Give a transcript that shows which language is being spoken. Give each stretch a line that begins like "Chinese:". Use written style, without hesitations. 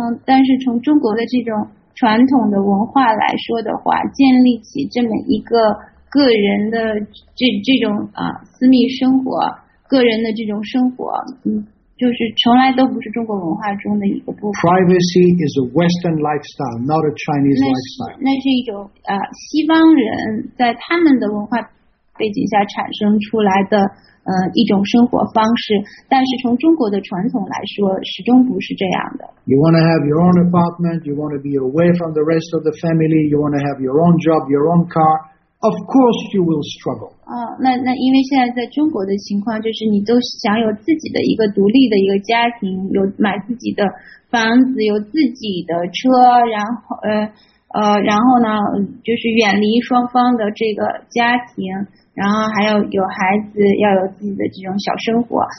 Chinese: 但是从中国的这种传统的文化来说的话，建立起这么一个。个人的这种私密生活，个人的这种生活，就是从来都不是中国文化中的一个部分。
English: Privacy is a Western lifestyle, not a Chinese lifestyle.
Chinese: 那是一种西方人在他们的文化背景下产生出来的一种生活方式，但是从中国的传统来说，始终不是这样的。
English: You want to have your own apartment, you want to be away from the rest of the family, you want to have your own job, your own car. Of course, you will struggle.
Chinese: 那因为现在在中国的情况就是，你都想有自己的一个独立的一个家庭，有买自己的房子，有自己的车，然后呢，就是远离双方的这个家庭，然后还要有孩子，要有自己的这种小生活。